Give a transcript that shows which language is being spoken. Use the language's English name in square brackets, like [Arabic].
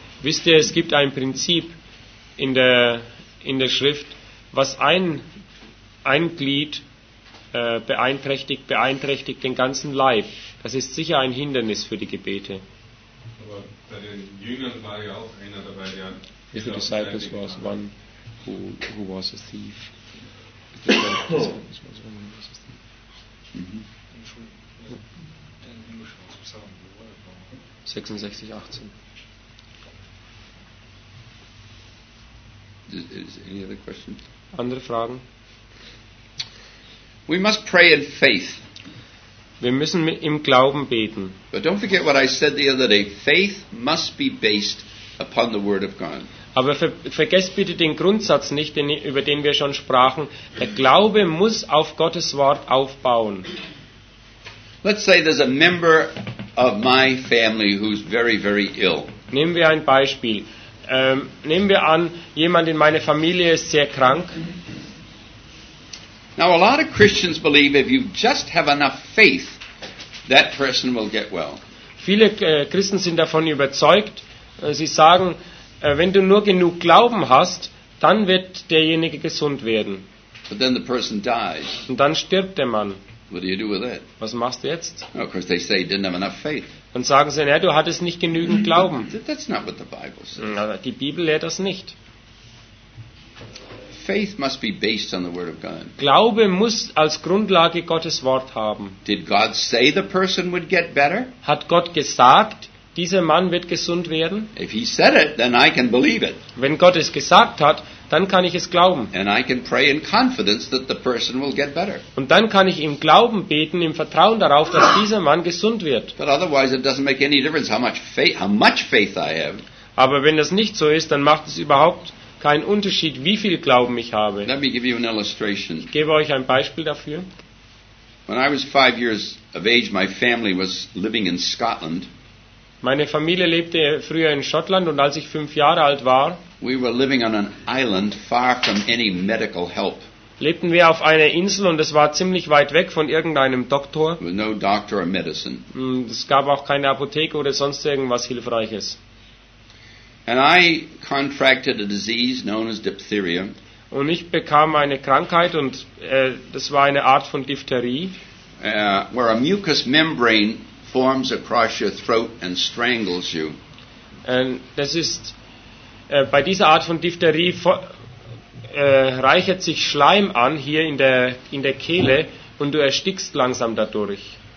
[German] Wisst ihr, es gibt ein Prinzip in der Schrift, was ein Glied beeinträchtigt den ganzen Leib. Das ist sicher ein Hindernis für die Gebete. Aber bei den Jüngern war ja auch einer dabei, der... [English] If the disciples was one who was a thief. Any other questions? [German] Andere Fragen? [English] We must pray in faith. [German] Wir müssen im Glauben beten. [English] But don't forget what I said the other day. Faith must be based upon the Word of God. [German] Aber vergesst bitte den Grundsatz nicht, über den wir schon sprachen. Der Glaube muss auf Gottes Wort aufbauen. [English] Let's say there's a member of my family who's very, very ill. [German] Nehmen wir ein Beispiel. Nehmen wir an, jemand in meiner Familie ist sehr krank. [English] Now a lot of Christians believe if you just have enough faith, that person will get well. [German] Viele Christen sind davon überzeugt. Sie sagen, wenn du nur genug Glauben hast, dann wird derjenige gesund werden. [English] But then the person dies. [German] Und dann stirbt der Mann. [English] What do you do with that? [German] Was machst du jetzt? [English] Of course they say he didn't have enough faith. [German] Und sagen sie, du hattest nicht genügend Glauben. [English] That's not what the Bible says. [German] Die Bibel lehrt das nicht. [English] Faith must be based on the Word of God. [German] Glaube muss als Grundlage Gottes Wort haben. [English] Did God say the person would get better? [German] Hat Gott gesagt, dieser Mann wird gesund werden? [English] If he said it, then I can believe it. [German] Wenn Gott es gesagt hat, dann kann ich es glauben. [English] And I can pray in confidence that the person will get better. [German] Und dann kann ich im Glauben beten, im Vertrauen darauf, dass dieser Mann gesund wird. [English] But otherwise it doesn't make any difference how much faith I have. [German] Aber wenn das nicht so ist, dann macht es überhaupt keinen Unterschied, wie viel Glauben ich habe. [English] Let me give you an illustration. [German] Ich gebe euch ein Beispiel dafür. [English] When I was 5 years of age, my family was living in Scotland. [German] Meine Familie lebte früher in Schottland und als ich 5 Jahre alt war, [English] we were living on an island far from any medical help. [German] Lebten wir auf einer Insel und es war ziemlich weit weg von irgendeinem Doktor. [English] With no doctor or medicine. [German] Es gab auch keine Apotheke oder sonst irgendwas Hilfreiches. [English] And I contracted a disease known as diphtheria. [German] Und ich bekam eine Krankheit und das war eine Art von Diphtherie. [English] Where a mucous membrane forms across your throat and strangles you. [German] Das ist bei dieser Art von Diphtherie reichert sich Schleim an hier in der Kehle und du erstickst langsam dadurch.